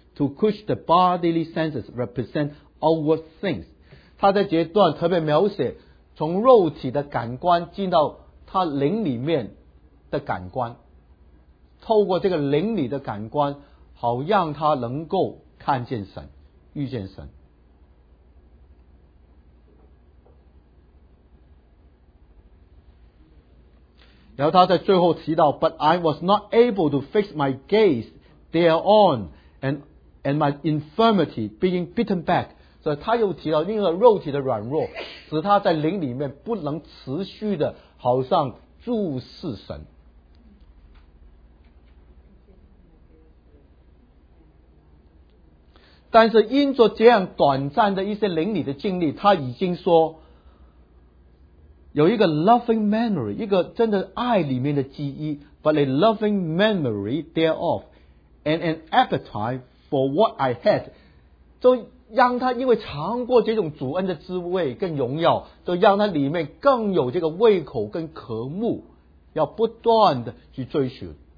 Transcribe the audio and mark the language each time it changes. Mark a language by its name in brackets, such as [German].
[English] to which the bodily senses represent outward things. [Chinese] 他在节段特别描写从肉体的感官进到他灵里面的感官，透过这个灵里的感官，好让他能够看见神，遇见神。然后他在最后提到 [English] But I was not able to fix my gaze thereon and my infirmity being beaten back. [Chinese] 所以他又提到另一个肉体的软弱，使他在灵里面不能持续的好像注视神。但是因着这样短暂的一些灵里的经历，他已经说有一个 [English] loving memory， [Chinese] 一个真的爱里面的记忆， [English] but a loving memory thereof and an appetite for what I had， [Chinese] 就让他因为尝过这种主恩的滋味跟荣耀，就让他里面更有这个胃口跟渴慕，要不断的去追寻。